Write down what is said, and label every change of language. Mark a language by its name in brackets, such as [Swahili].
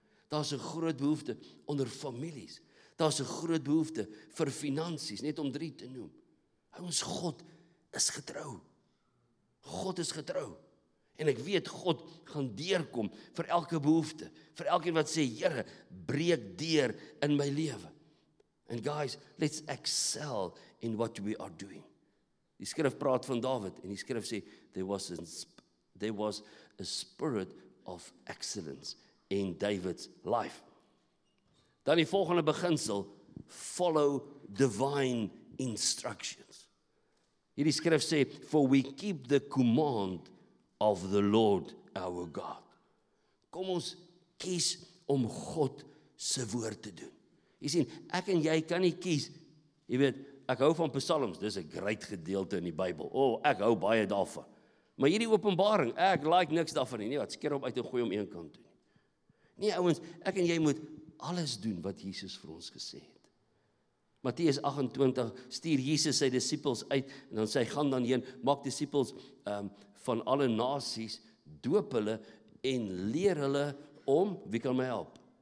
[Afrikaans] Daar's 'n groot behoefte onder families. Daar's 'n groot behoefte vir finansies, net om drie te noem. Ons God is getrou. God is getrou. En ek weet God gaan deurkom vir elke behoefte, vir elkeen wat sê, Here, breek deur in my lewe. [English] And guys, let's excel in what we are doing. [Afrikaans] Die skrif praat van Dawid en die skrif sê [English] there was a spirit of excellence in David's life. [Afrikaans] Dan die volgende beginsel, [English] follow divine instructions. [Afrikaans] Hierdie skrif sê, [English] for we keep the command of the Lord our God. [Afrikaans] Kom ons kies om God se woord te doen. Jy sien, ek en jy kan nie kies, jy weet, ek hou van psalms, dis 'n groot gedeelte in die Bybel. O, ek hou baie daarvan. Maar hierdie openbaring, ek like niks daarvan nie, wat skeer om uit en gooi om een kant toe. Nee, ouwens, ek en jy moet alles doen wat Jesus vir ons gesê het. Matteus 28, stuur Jesus sy disippels uit, en dan sê, gaan dan heen, maak disippels van alle nasies, doop hulle en leer hulle om, wie kan my help?